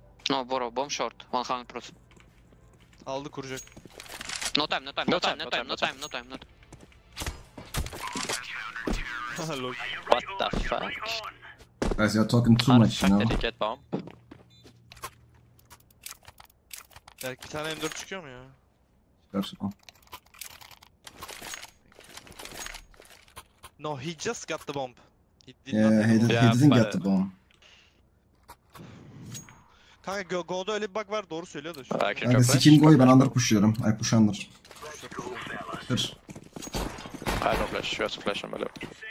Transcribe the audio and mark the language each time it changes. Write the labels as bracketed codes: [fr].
[en] No, bro, bomb short. 100%. [tr] Aldı, kuracak. [en] No time, no time, no time, no time, no time, no time, no time. What the fuck? Guys, you're talking too much, you know? Did he get bomb? [tr] Yeah, iki tane M4 çıkıyor mu ya? Çıkar şu an. [en] No, he just got the bomb. He didn't get the bomb. [tr] Kanka, Go'da öyle bir bug var, doğru söylüyor da şu an. Kanka, sikim Go'yu, ben under pushluyorum. [en] I push under. [tr] Dur. [en] I don't flash, you have to flash on my left.